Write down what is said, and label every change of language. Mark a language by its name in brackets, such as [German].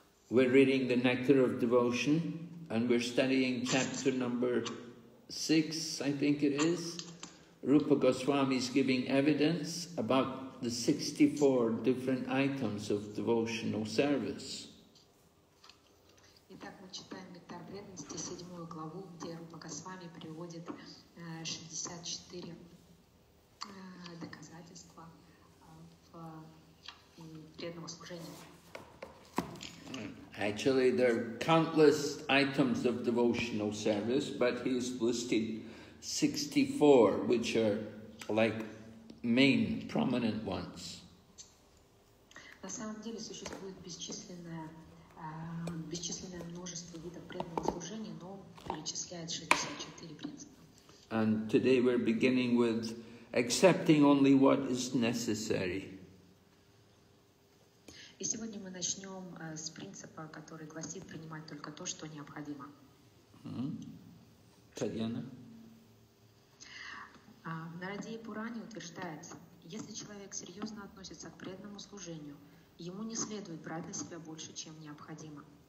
[English] We're reading the Nectar of Devotion, and we're studying chapter number 6, I think it is. Rupa Goswami is giving evidence about the 64 different items of devotional service. [Russian] Итак, мы читаем Нектар Бледности, 7 главу, где Рупа Госвами приводит 64 доказательства в преданном служении. [English] Actually, there are countless items of devotional service, but he's listed 64, which are like main, prominent ones. [Russian] На самом деле существует бесчисленное множество видов преданного служения, но перечисляет 64 принципа. [English] And today we're beginning with accepting only what is necessary. [Russian] И сегодня мы начнем с принципа, который гласит принимать только то, что необходимо. Татьяна? Нарадея Пуране утверждается, если человек серьезно относится к преданному служению, ему не следует брать на себя больше, чем необходимо.